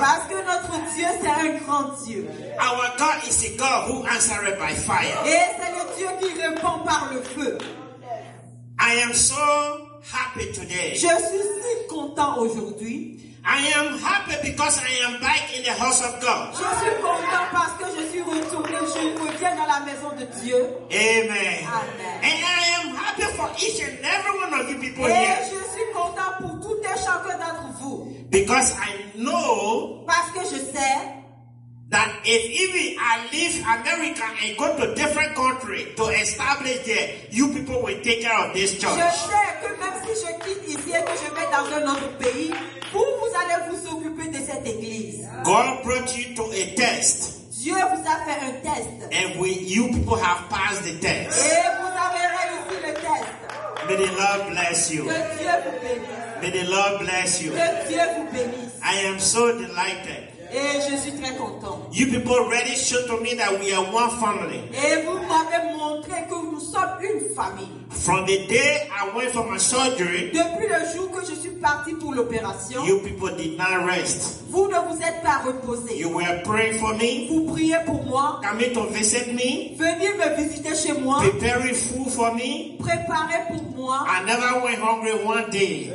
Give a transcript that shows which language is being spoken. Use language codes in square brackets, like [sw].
[fr] Parce que notre Dieu, c'est un grand Dieu. [en] Our God is a God who answered by fire. [fr] Et c'est le Dieu qui répond par le feu. [en] I am so happy today. [fr] Je suis si content aujourd'hui. [en] I am happy because I am back in the house of God. [fr] Je suis content parce que je suis retourné, je reviens dans la maison de Dieu. [en] Amen. [fr] Amen. [en] And I am happy for each and every one of you people [fr] et [en] here. [fr] Je suis content pour tout et chacun d'entre vous. [en] Because I know [fr] parce que je sais [en] that if even I leave America and go to different country to establish there, you people will take care of this church. [fr] Je sais que même si je quitte ici et que je vais dans un autre pays, vous allez vous occuper de cette église. [en] God brought you to a test. [fr] Dieu vous a fait un test. [en] And we, you people have passed the test. [fr] Et vous avez réussi le test. [en] May the Lord bless you. [fr] Que Dieu vous bénisse. [en] May the Lord bless you. [fr] Que Dieu vous bénisse. [en] I am so delighted. [fr] Et je suis très content. [en] You people already showed to me that we are one family. [fr] Et vous m'avez montré que nous sommes une famille. [en] From the day I went for my surgery, [fr] depuis le jour que je suis parti pour l'opération, [en] you people did not rest. [fr] Vous ne vous êtes pas reposé. [en] You were praying for me. [fr] Vous priez pour moi. [en] Coming to visit me. [fr] Venir me visiter chez moi. [en] Preparing food for me. [fr] Préparer pour moi. [en] I never went hungry one day.